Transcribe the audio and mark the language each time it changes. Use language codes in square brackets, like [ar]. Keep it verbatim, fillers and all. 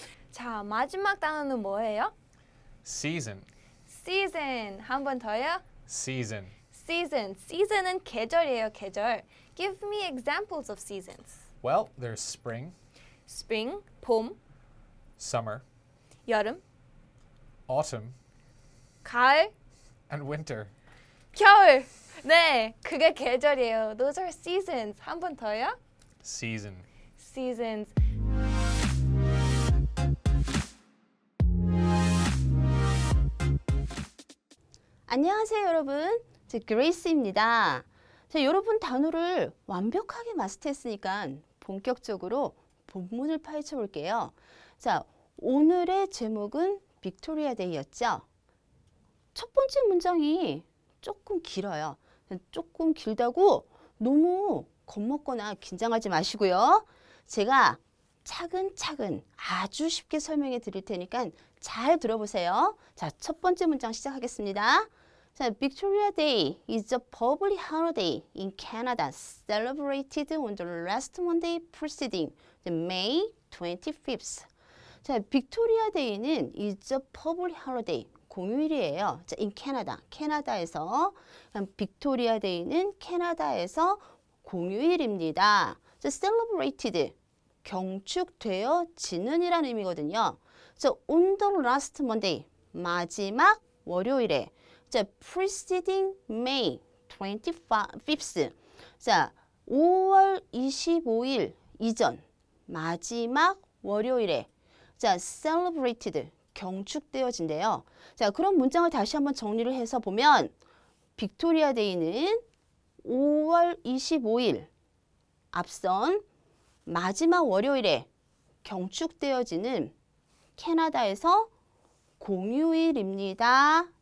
[ko] 자, 마지막 단어는 뭐예요? [en] Season. [ko] Season. 한 번 더요? [en] Season. Season. [ko] Season은 계절이에요, 계절. [en] Give me examples of seasons. Well, there's spring. [ko] Spring, 봄. [en] Summer. [ko] 여름. [en] Autumn. [ko] 가을. [en] And winter. [ko] 겨울. 네, 그게 계절이에요. [en] Those are seasons. [ko] 한 번 더요? [en] Season. Seasons. [ko] 안녕하세요, 여러분. 저 그레이스입니다. 자, 여러분 단어를 완벽하게 마스터했으니까 본격적으로 본문을 파헤쳐 볼게요. 자, 오늘의 제목은 빅토리아 데이였죠. 첫 번째 문장이 조금 길어요. 조금 길다고 너무 겁먹거나 긴장하지 마시고요. 제가 차근차근 아주 쉽게 설명해 드릴 테니까 잘 들어보세요. 자, 첫 번째 문장 시작하겠습니다. [en] 자, Victoria Day is a public holiday in Canada celebrated on the last Monday preceding May twenty-fifth. [ko] 자, 빅토리아 데이는 [en] is a public holiday, [ko] 공휴일이에요. 자, [en] in Canada, [ko] 캐나다에서. 빅토리아 데이는 캐나다에서 공휴일입니다. 자, celebrated, 경축되어지는 이라는 의미거든요. 자, [en] on the last Monday, [ko] 마지막 월요일에. [en] 자, preceding May twenty-fifth. [ko] 자, 오월 이십오일 이전 마지막 월요일에 자, celebrated 경축되어진대요. 자, 그럼 문장을 다시 한번 정리를 해서 보면 빅토리아 데이는 오월 이십오일 앞선 마지막 월요일에 경축되어지는 캐나다에서 공휴일입니다.